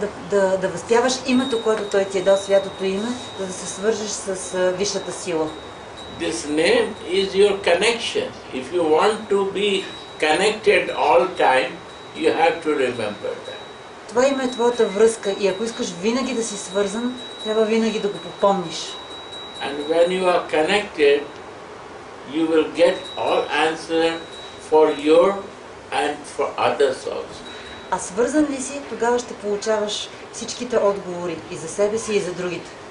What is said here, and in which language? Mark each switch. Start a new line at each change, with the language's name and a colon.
Bulgarian: Да възпяваш името, което той ти е дал, святото име, за да се свържеш с висшата сила.
English: This name is your connection. If you want to be connected all time, you have to remember that.
Bulgarian: Това име е твоята връзка и ако искаш винаги да си свързан, трябва винаги да го попомниш.
English: And when you are connected, you will get all answers for your and for others also.
Bulgarian: А свързан ли си, тогава ще получаваш всичките отговори и за себе си и за другите.